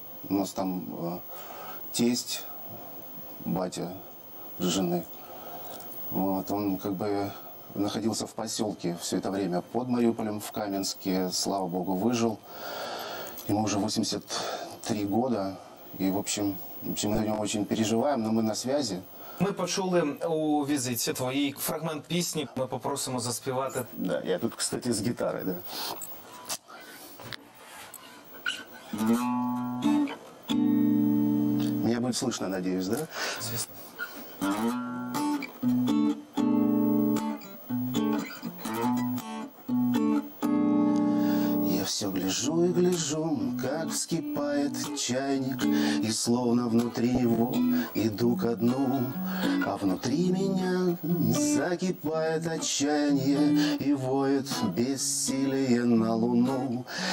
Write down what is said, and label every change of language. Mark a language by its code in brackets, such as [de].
[uk] У нас там тесть, батя жени. [ru] Вот, он как бы находился в посёлке всё это время под Маріуполем в Кам'янське, слава Богу, [uk] вижив. Йому вже 83 [ru] года, [uk] і, [ru] в общем, [uk] ми на нього [ru] очень [uk] переживаємо, [ru] но [uk] ми [ru] на связи. [uk] Ми почули у візитці твої фрагмент пісні. Ми попросимо заспівати. Да, я тут, [ru] кстати, [uk] з гітарою, да. [ru] Меня будет слышно, надеюсь, да? Известно. Все гляжу и гляжу, как вскипает чайник, и словно внутри него иду ко дну, а внутри меня закипает отчаяние и воет бессилие на луну.